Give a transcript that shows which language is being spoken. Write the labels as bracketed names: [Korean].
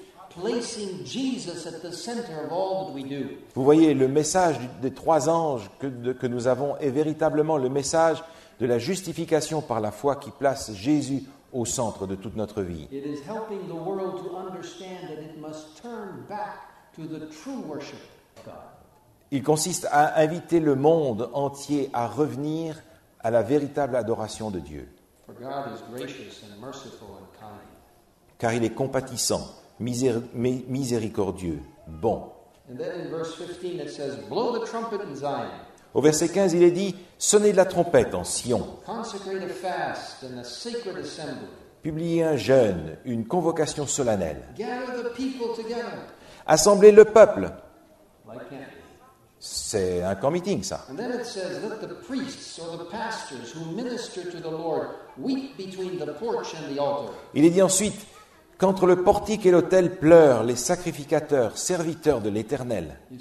[English] Placing Jesus at the center of all that we do. [French] Vous voyez, le message des trois anges que nous avons est véritablement le message de la justification par la foi qui place Jésus au centre de toute notre vie. [English] It is helping the world to understand that it must turn back to the true worship of God. [French] Il consiste à inviter le monde entier à revenir à la véritable adoration de Dieu. [English] For God is gracious and merciful and kind. [French] Car il est compatissant. Miséricordieux, bon. [English] And then in verse 15 it says, blow the trumpet in Zion. [French] Au verset 15, il est dit, sonnez de la trompette en Sion. [English] Consecrate a fast and a sacred assembly. [French] Publiez un jeûne, une convocation solennelle. [English] Gather the people together. [French] Assemblez le peuple. [English] Like camp. [French] C'est un camp meeting, ça. [English] And then it says, let the priests or the pastors who minister to the Lord weep between the porch and the altar. [French] Il est dit ensuite, qu'entre le portique et l'autel pleurent les sacrificateurs, serviteurs de l'Éternel.